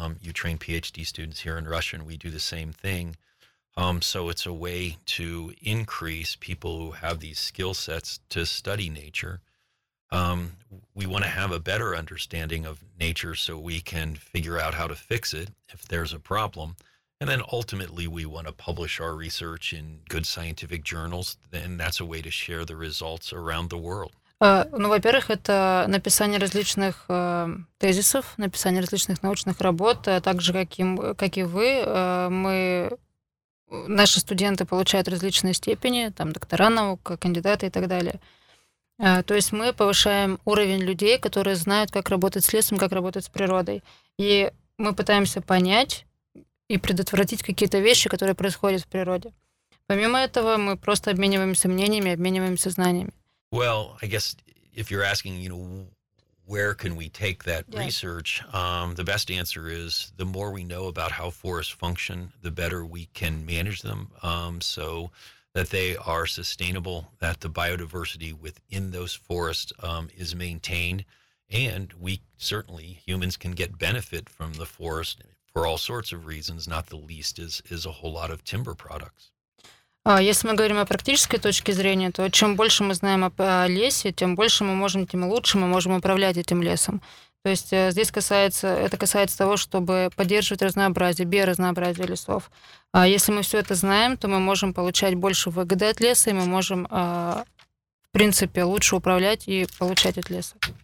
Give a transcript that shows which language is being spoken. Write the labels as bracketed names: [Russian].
[English] You train PhD students here in Russia, and we do the same thing. So it's a way to increase people who have these skill sets to study nature. We want to have a better understanding of nature so we can figure out how to fix it if there's a problem. And then ultimately we want to publish our research in good scientific journals. Then that's a way to share the results around the world. [Russian] Ну, во-первых, это написание различных тезисов, написание различных научных работ, а также, как и вы, мы... Наши студенты получают различные степени, там доктора наук, кандидаты и так далее. То есть мы повышаем уровень людей, которые знают, как работать с лесом, как работать с природой. И мы пытаемся понять и предотвратить какие-то вещи, которые происходят в природе. Помимо этого, мы просто обмениваемся мнениями, обмениваемся знаниями. [English] Well, I guess if you're asking, you know, where can we take that research? The best answer is the more we know about how forests function, the better we can manage them so that they are sustainable, that the biodiversity within those forests is maintained, and we certainly, humans can get benefit from the forest for all sorts of reasons, not the least is a whole lot of timber products. [Russian] Если мы говорим о практической точке зрения, то чем больше мы знаем о лесе, тем больше мы можем, тем лучше мы можем управлять этим лесом. То есть здесь касается, это касается того, чтобы поддерживать разнообразие, биоразнообразие лесов. А если мы все это знаем, то мы можем получать больше выгоды от леса, и мы можем, в принципе, лучше управлять и получать от леса.